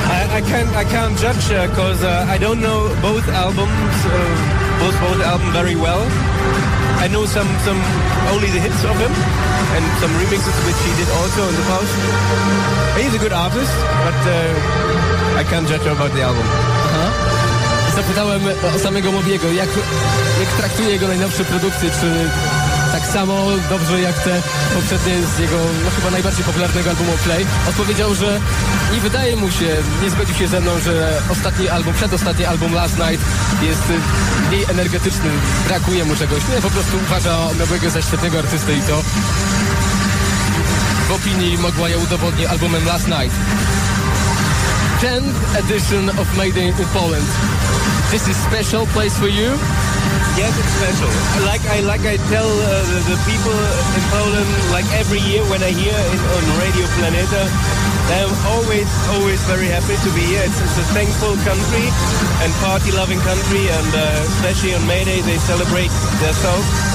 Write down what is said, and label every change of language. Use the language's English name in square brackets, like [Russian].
[English] I can't judge because I don't know both albums, both albums very well. I know some only the hits of him and some remixes which he did also in the past. He's a good artist, but I can't judge about the album. [Polish] Zapytałem o samego Mobiego, jak traktuje jego najnowsze produkcje, czy tak samo dobrze jak te poprzednie z jego, no, chyba najbardziej popularnego albumu Play. Odpowiedział, że nie wydaje mu się, nie zgodził się ze mną, że ostatni album, przedostatni album Last Night jest mniej energetyczny, brakuje mu czegoś. Nie, po prostu uważa Mobiego za świetnego artystę i to w opinii Mogwaja udowodni albumem Last Night. [English] 10th edition of Mayday in Poland. This is special place for you? Yes, it's special. Like I tell the people in Poland, like every year when I hear it on Radio Planeta, I'm always, always very happy to be here. It's a thankful country and party-loving country, and especially on May Day, they celebrate themselves.